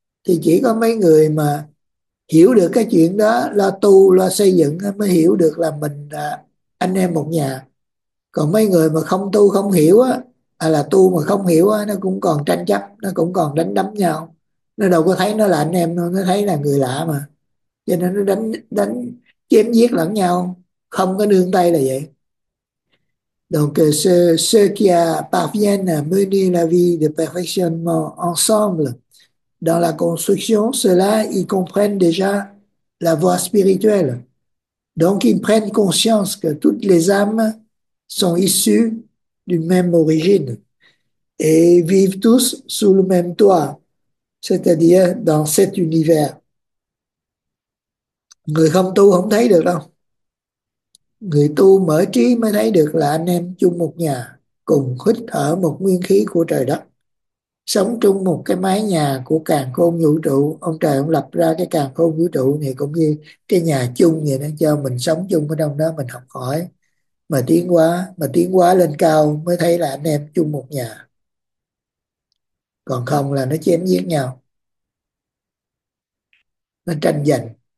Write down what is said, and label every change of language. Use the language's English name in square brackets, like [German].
[Vietnamese] Thì chỉ có mấy người mà hiểu được cái chuyện đó, lo tu lo xây dựng mới hiểu được là mình là anh em một nhà. Còn mấy người mà không tu không hiểu á, à là tu mà không hiểu á, nó cũng còn tranh chấp, nó cũng còn đánh đấm nhau, nó đâu có thấy nó là anh em đâu, nó thấy là người lạ mà, cho nên nó đánh đánh chém giết lẫn nhau không có nương tay là vậy. [French] Donc ce qui parviennent à mener la vie de perfectionnement ensemble dans la construction, ceux-là, ils comprennent déjà la voie spirituelle. Donc, ils prennent conscience que toutes les âmes sont issues d'une même origine et vivent tous sous le même toit, c'est-à-dire dans cet univers. [Vietnamese] Người không tu không thấy được đâu. Người tu mở trí mới thấy được là anh em chung một nhà, cùng hít thở một nguyên khí của trời đất, sống chung một cái mái nhà của càn khôn vũ trụ. Ông trời ông lập ra cái càn khôn vũ trụ này cũng như cái nhà chung vậy đó, cho mình sống chung ở trong đó, mình học hỏi mà tiến hóa, mà tiến hóa lên cao mới thấy là anh em chung một nhà, còn không là nó chém giết nhau, nó tranh giành.